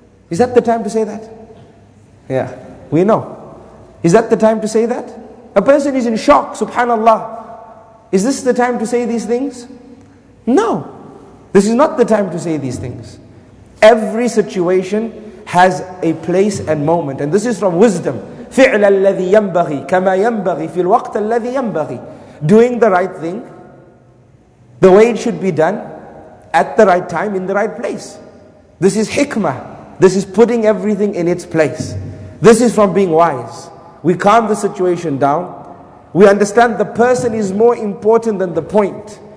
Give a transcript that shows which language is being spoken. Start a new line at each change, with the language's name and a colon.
English: Is that the time to say that? Yeah, we know. Is that the time to say that? A person is in shock, subhanAllah. Is this the time to say these things? No, this is not the time to say these things. Every situation has a place and moment, and this is from wisdom.
Arabic: فعل الذي ينبغي كما ينبغي في الوقت الذي ينبغي.
English: Doing the right thing, the way it should be done, at the right time, in the right place. This is hikmah. This is putting everything in its place. This is from being wise. We calm the situation down. We understand the person is more important than the point.